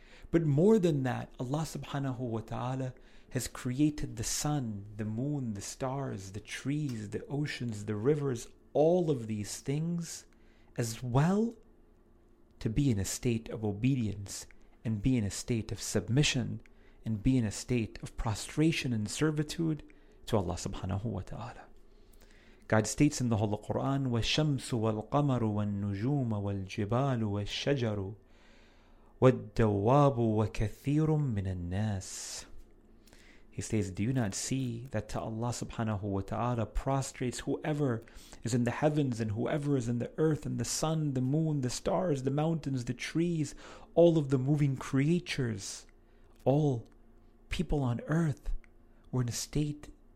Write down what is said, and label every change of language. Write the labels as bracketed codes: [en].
[en] But more than that, Allah subhanahu wa ta'ala has created the sun, the moon, the stars, the trees, the oceans, the rivers, all of these things as well to be in a state of obedience and be in a state of submission and be in a state of prostration and servitude to Allah subhanahu wa ta'ala. God states in the Holy Quran, [ar] وَالشَّمْسُ وَالْقَمَرُ وَالنُّجُومَ وَالْجِبَالُ وَالشَّجَرُ وَالدَّوَّابُ وَكَثِيرٌ مِّنَ النَّاسِ. [en] He says, do you not see that to Allah subhanahu wa ta'ala prostrates whoever is in the heavens and whoever is in the earth and the sun, the moon, the stars, the mountains, the trees, all of the moving creatures, all people on earth were in a state